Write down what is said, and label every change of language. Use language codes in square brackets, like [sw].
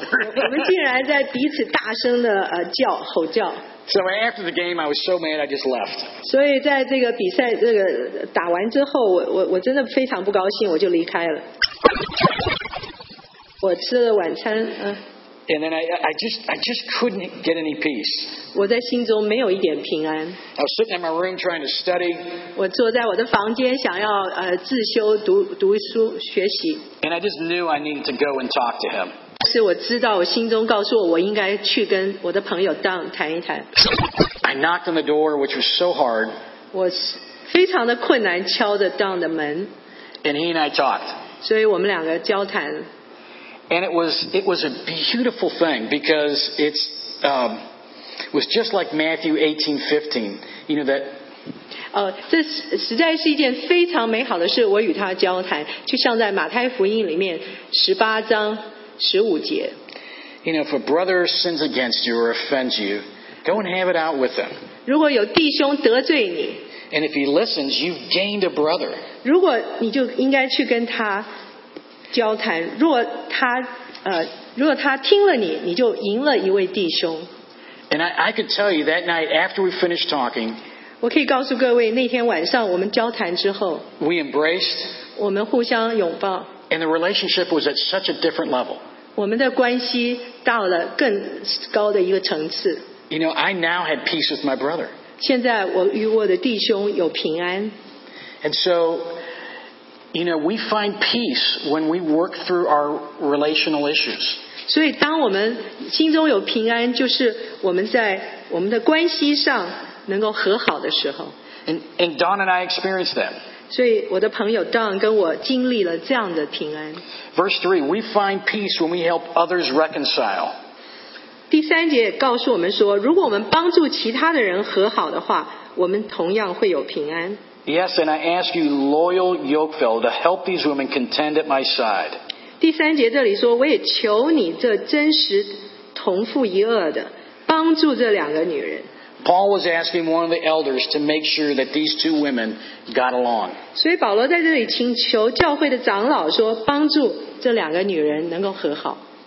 [zh] 我们竟然在彼此大声的叫吼叫。 [en] So after the game, I was so mad, I just left. [zh] 所以在这个比赛这个打完之后，我真的非常不高兴，我就离开了。我吃了晚餐，嗯。 [en] And then I just couldn't get any peace. [zh] 我在心中没有一点平安。 [en] I was sitting in my room trying to study. [zh] 我坐在我的房间想要自修读书学习。 [en] And I just knew I needed to go and talk to him. [zh] 是我知道我心中告诉我应该去跟我的朋友 Don 谈一谈。 [en] I knocked on the door, which was so hard. [zh] 我非常的困难敲着 Don 的门。 [en] And he and I talked. [zh] 所以我们两个交谈。 [en] And it was a beautiful thing because it's was just like Matthew 18:15. You know that. [zh] 这实在是一件非常美好的事。我与他交谈，就像在马太福音里面十八章十五节。 [en] You know, if a brother sins against you or offends you, go and have it out with them. [zh] 如果有弟兄得罪你。 [en] And if he listens, you've gained a brother. [zh] 如果你就应该去跟他。交谈，如果他听了你，你就赢了一位弟兄。 [en] And I could tell you that night after we finished talking. [zh] 我可以告诉各位，那天晚上我们交谈之后。 [en] We embraced. [zh] 我们互相拥抱。 [en] And the relationship was at such a different level. [zh] 我们的关系到了更高的一个层次。 [en] You know, I now had peace with my brother. [zh] 现在我与我的弟兄有平安。 [en] And so. You know, we find peace when we work through our relational issues. [zh] 所以当我们心中有平安，就是我们在我们的关系上能够和好的时候。 [en] And Don and I experienced that. [zh] 所以我的朋友 Don 跟我经历了这样的平安。 [en] Verse 3, we find peace when we help others reconcile. [zh] 第三节告诉我们说，如果我们帮助其他的人和好的话，我们同样会有平安。 [en] Yes, and I ask you, loyal Yokefell, to help these women contend at my side. [zh] 第三节这里说，我也求你这真实同父一轭的，帮助这两个女人。 [en] Paul was asking one of the elders to make sure that these two women got along. [zh] 所以保罗在这里请求教会的长老说，帮助这两个女人能够和好。